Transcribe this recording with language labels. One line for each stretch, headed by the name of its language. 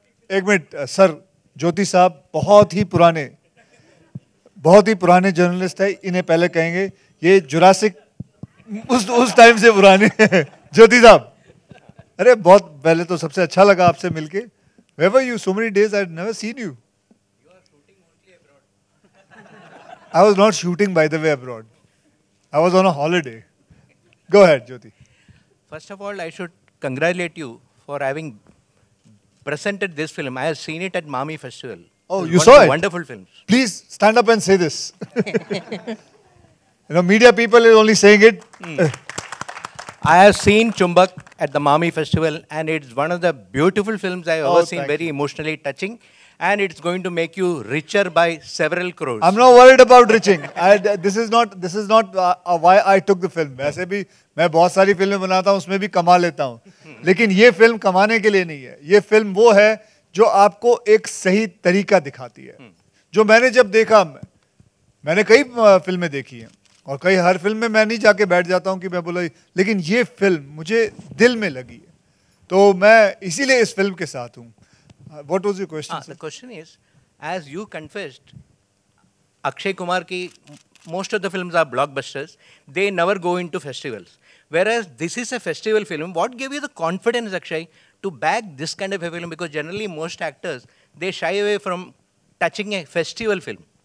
Hindi: एक minute sir, ज्योति साहब बहुत ही पुराने जर्नलिस्ट है, इन्हें पहले कहेंगे, ये जुरासिक उस टाइम से पुराने हैं। ज्योति साहब, अरे बहुत पहले तो सबसे अच्छा लगा आपसे मिलके।
English: Where were you so many days, I had never seen you. I was not shooting, by the way, abroad. I was on a holiday. Go ahead, Jyoti. First of all, I should congratulate you for having presented this film. I have seen it at Mami Festival. Oh, you saw it? Wonderful films. Please stand up and say this. You know, media people are only saying it. I have seen Chumbak at the Mami Festival, and it's one of the beautiful films I've ever seen. Very emotionally touching. and it's going to make you richer by several crores. I'm not worried about riching. This is not why I took the film.
Hindi: वैसे भी मैं बहुत सारी फिल्में बनाता हूँ, उसमें भी कमा लेता हूँ. लेकिन ये फिल्म कमाने के लिए नहीं है. ये फिल्म वो है जो आपको एक सही तरीका दिखाती है. जो मैंने जब देखा, मैंने कई फिल्में देखी हैं और कई हर फिल्म में मैं नहीं जाके बैठ जाता हूँ कि मैं बोला, लेकिन ये फिल्म मुझे दिल में लगी है. तो मैं इसीलिए इस फिल्म के साथ हूँ.
English: What was your question? The question is, as you confessed, Akshay Kumar ki most of the films are blockbusters. They never go into festivals. Whereas this is a festival film. What gave you the confidence, Akshay, to back this kind of a film? Because generally most actors, they shy away from touching a festival film.